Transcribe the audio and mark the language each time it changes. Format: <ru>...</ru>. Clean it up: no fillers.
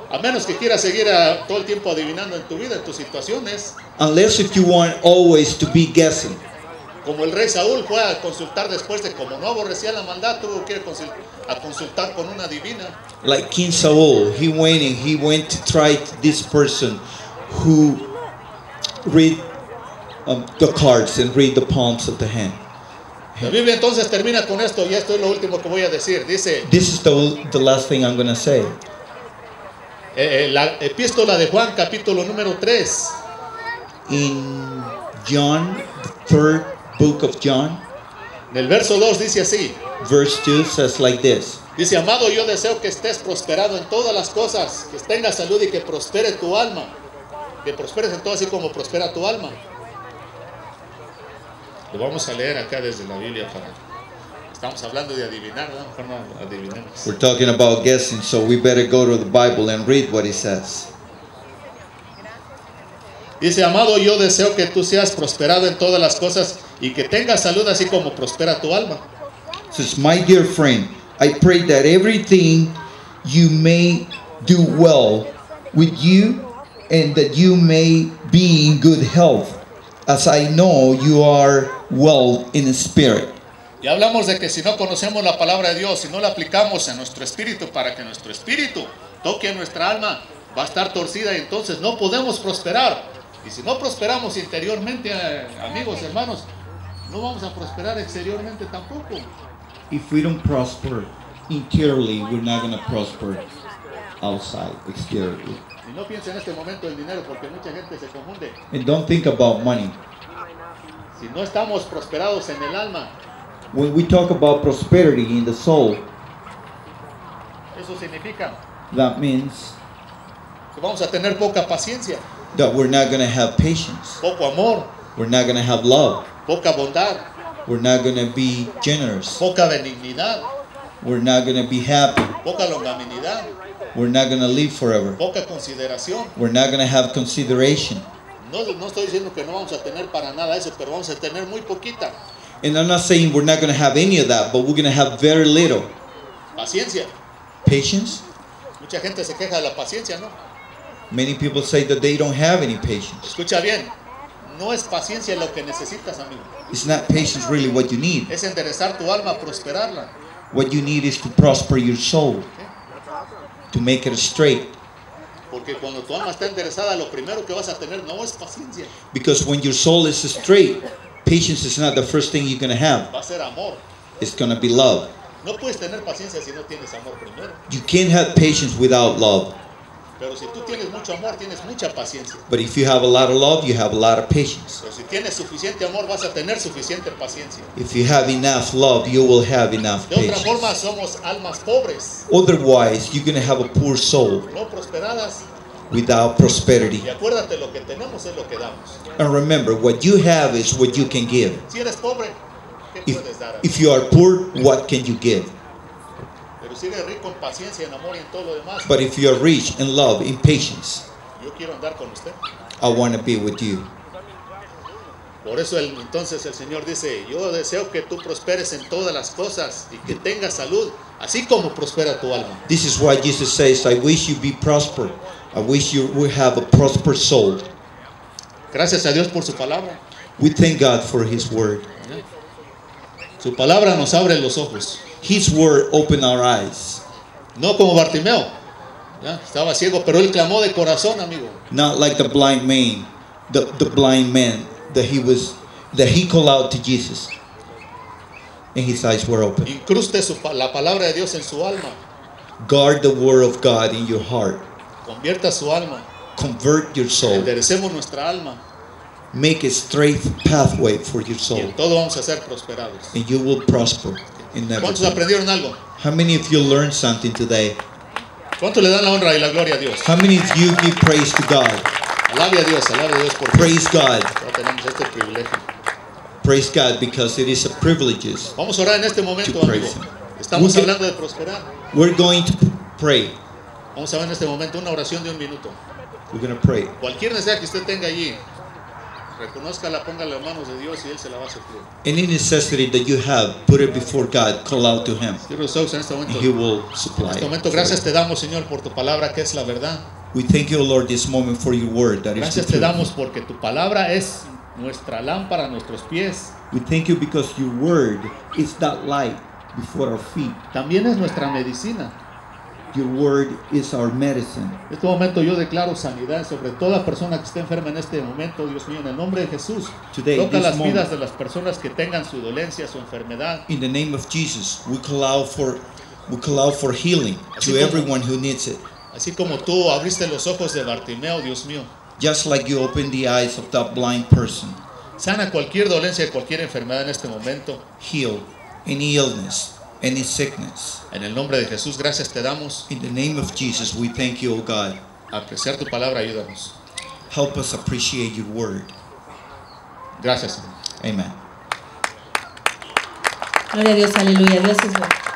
<es>A menos que quieras seguir todo el tiempo adivinando en tu vida, en tus situaciones.</es> <en>Unless if you want always to be guessing.</en> <es>Como el rey Saúl fue a consultar después de como no aborrecía la maldad, tuvo que ir a consultar con una divina.</es> <en>Like King Saul, he went to try this person who read the cards and read the palms of the hand.</en> <es>La Biblia entonces termina con esto y esto es lo último que voy a decir. Dice,</es> <en>this is the last thing I'm going to say.</en> <es>La epístola de Juan capítulo número 3.</es> <en>In John, the third book of John.</en> <es>En el verso 2 dice así.</es> <en>Verse 2 says like this.</en> <es>Dice, amado, yo deseo que estés prosperado en todas las cosas, que tengas salud y que prospere tu alma. Que prosperes en todo así como prospera tu alma. Lo vamos a leer acá desde la Biblia para... Estamos hablando de adivinar, ¿no? Mejor no adivinemos.</es> <en>We're talking about guessing, so we better go to the Bible and read what it says.</en> <es>Dice, amado, yo deseo que tú seas prosperado en todas las cosas y que tengas salud así como prospera tu alma.</es> <en>Says, my dear friend, I pray that everything you may do well with you and that you may be in good health, as I know you are well in spirit.</en> <es>Y hablamos de que si no conocemos la palabra de Dios y no la aplicamos a nuestro espíritu para que nuestro espíritu toque nuestra alma, va a estar torcida y entonces no podemos prosperar. Y si no prosperamos interiormente, amigos, hermanos, no vamos a prosperar exteriormente tampoco.</es> <en>If we don't prosper interiorly, we're not going to prosper outside, exteriorly.</en> <es>Y no piensa en este momento el dinero porque mucha gente se confunde.</es> <en>And don't think about money.</en> <es>Si no estamos prosperados en el alma.</es> <en>When we talk about prosperity in the soul.</en> <es>Eso significa.</es> <en>That means.</en> <es>Que vamos a tener poca paciencia.</es> <en>That we're not going to have patience.</en> <es>Poco amor.</es> <en>We're not going to have love.</en> <es>Poca bondad.</es> <en>We're not going to be generous.</en> <es>Poca benignidad.</es> <en>We're not going to be happy.</en> <es>Poca longanimidad.</es> <en>We're not going to live forever.</en> <es>Poca consideración.</es> <en>We're not going to have consideration.</en> <es>No estoy diciendo que no vamos a tener para nada eso, pero vamos a tener muy poquita.</es> <en>And I'm not saying we're not going to have any of that, but we're going to have very little.</en> <es>Paciencia.</es> <en>Patience.</en> <es>Mucha gente se queja de la paciencia, ¿no?</es> <en>Many people say that they don't have any patience.</en> <es>Escucha bien. No es paciencia lo que necesitas, amigo.</es> <en>It's not patience really what you need.</en> <es>Es enderezar tu alma, prosperarla.</es> <en>What you need is to prosper your soul. To make it straight.</en> <es>Porque cuando tu alma está enderezada, lo primero que vas a tener no es paciencia.</es> <en>Because when your soul is straight, patience is not the first thing you're going to have.</en> <es>Va a ser amor.</es> <en>It's going to be love.</en> <es>No puedes tener paciencia si no tienes amor primero.</es> <en>You can't have patience without love.</en> <es>Pero si tú tienes mucho amor, tienes mucha paciencia.</es> <en>But if you have a lot of love, you have a lot of patience.</en> <es>Pero si tienes suficiente amor, vas a tener suficiente paciencia.</es> <en>If you have enough love, you will have enough patience.</en> <es>De otra forma, somos almas pobres.</es> <en>Otherwise, you're going to have a poor soul.</en> <es>No prosperadas.</es> <en>Without prosperity.</en> <es>Y acuérdate, lo que tenemos es lo que damos.</es> <en>And remember, what you have is what you can give.</en> <es>Si eres pobre, ¿qué puedes dar?</es> <en>If you are poor, what can you give?</en> <es>Pero si eres rico en paciencia, en amor y en todo lo demás.</es> <en>But if you are rich in love, in patience.</en> <es>Yo quiero andar con usted.</es> <en>I want to be with you.</en> <es>Por eso entonces el Señor dice, yo deseo que tú prosperes en todas las cosas y que tengas salud, así como prospera tu alma.</es> <en>This is why Jesus says, I wish you be prosperous. I wish you would have a prosperous soul.</en> <es>Gracias a Dios por su palabra.</es> <en>We thank God for His word.</en> <es>Su palabra nos abre los ojos.</es> <en>His word opened our eyes.</en> <es>No como Bartimeo. ¿Ya? Estaba ciego, pero él clamó de corazón, amigo.</es> <en>Not like the blind man that he called out to Jesus. And his eyes were open.</en> <es>Incruste la palabra de Dios en su alma.</es> <en>Guard the word of God in your heart.</en> <es>Convierta su alma.</es> <en>Convert your soul.</en> <es>Enderecemos nuestra alma.</es> <en>Make a straight pathway for your soul.</en> <es>Y en todo vamos a ser prosperados.</es> <en>And you will prosper.</en> <es>¿Cuántos aprendieron algo?</es> <en>How many of you learned something today?</en> <es>¿Cuánto le dan la honra y la gloria a Dios?</es> <en>How many of you give praise to God?</en> <es>Alabe a Dios, alabe a Dios por</es> <en>praise God.</en> <es>Tenemos este privilegio.</es> <en>Praise God because it is a privilege.</en> <es>Vamos a orar en este momento, amigo. Estamos hablando de prosperar.</es> <en>We're going to pray.</en> <es>Vamos a ver en este momento una oración de un minuto.</es> <en>We're going to pray.</en> <es>Cualquier necesidad que usted tenga allí. Reconózcala, póngala en manos de Dios y Él se la va a suplir.</es> <en>Any necessity that you have, put it before God, call out to Him. And He will supply.</en> <es>En este momento, gracias te damos, Señor, por tu palabra que es la verdad.</es> <en>We thank you, Lord, this moment for your word that</en> <es>gracias</es> <en>is the truth.</en> <es>Gracias te damos porque tu palabra es nuestra lámpara, nuestros pies.</es> <en>We thank you because your word is that light before our feet.</en> <es>También es nuestra medicina.</es> <en>Your word is our medicine.</en> <es>En este momento yo declaro sanidad sobre toda persona que esté enferma en este momento, Dios mío, en el nombre de Jesús.</es> <en>Today,</en> <es>toca las</es> <en>moment,</en> <es>vidas de las personas que tengan su dolencia, su enfermedad.</es> <en>In the name of Jesus, we call out for healing</en> <es>así</es> <en>to</en> <es>como,</es> <en>everyone who needs it.</en> <es>Así como tú abriste los ojos de Bartimeo, Dios mío.</es> <en>Just like you opened the eyes of that blind person.</en> <es>Sana cualquier dolencia, cualquier enfermedad en este momento.</es> <en>Heal any illness. Any sickness.</en> <es>En el nombre de Jesús, gracias te damos.</es> <en>In the name of Jesus, we thank you, O God.</en> <es>Apreciar tu palabra, ayúdanos.</es> <en>Help us appreciate your word.</en> <es>Gracias.</es> <en>Amen.</en> <es>Gloria a Dios, aleluya. Dios es bueno.</es>